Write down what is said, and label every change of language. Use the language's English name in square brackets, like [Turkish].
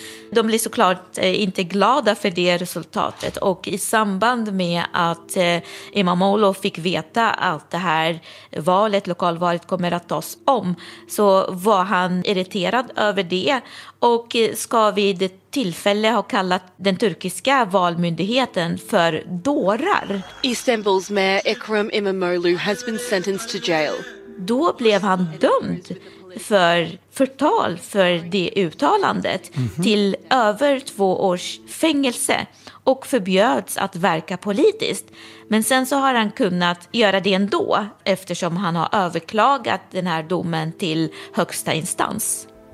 [Swedish] De blir såklart inte glada för det resultatet, och i samband med att İmamoğlu fick veta att det här valet, lokalvalet, kommer att tas om, så var han irriterad över det och ska vid tillfälle ha kallat den turkiska valmyndigheten för dårar. [English] Istanbul's mayor Ekrem İmamoğlu has been sentenced to jail. [Swedish] Då blev han dömd för förtal för det uttalandet, mm-hmm, till över 2 års fängelse och förbjöds att verka politiskt. Men sen så har han kunnat göra det ändå eftersom han har överklagat den här domen till högsta instans.